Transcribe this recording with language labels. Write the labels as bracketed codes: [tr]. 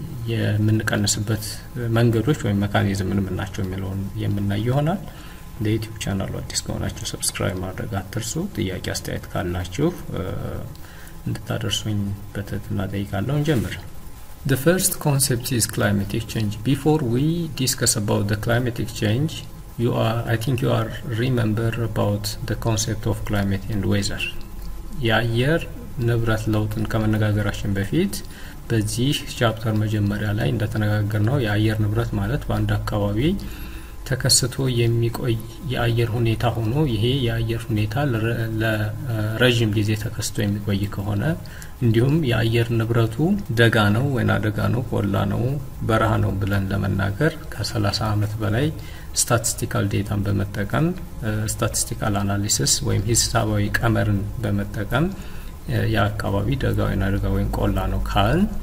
[am] የምንቀንስበት መንገዶች ወይም መካኒዝም ምን ምናቸው የሚለውን የምናይ ይሆናል። ለዩቲዩብ ቻናሉ አዲስ ከሆናችሁ ሰብስክራይብ ማድረግ አትርሱ። ጥያቄ አስተያየት ካላችሁ እንድታደርሱኝ በትህትና ጠይቃለሁ። እንጀምር። [en] The first concept is climatic change. Before we discuss about the climatic change, I think you remember about the concept of climate and weather. [am] የአየር ንብረት ለውጥን ከመነጋገራችን በፊት በዚህ ቻፕተር መጀመሪያ ላይ እንደተነጋገርነው የአየር ንብረት ማለት በአንድ አካባቢ ተከስቶ የሚቆይ የአየር ሁኔታ ሆኖ ይሄ የአየር ሁኔታ ለረጅም ጊዜ ተከስቶ የሚቆይ ከሆነ እንዲሁም የአየር ንብረቱ ደጋ ነው ወይና ደጋ ነው ቆላ ነው በረሃ ነው ብለን ለመናገር ከ30 አመት በላይ ስታቲስቲካል ዴታን በመጠቀም ስታቲስቲካል አናሊሲስ ወይም ሂሳባዊ ቀመርን በመጠቀም ያካባቢ ደጋ ወይና ደጋ ወይን ቆላ ነው ካል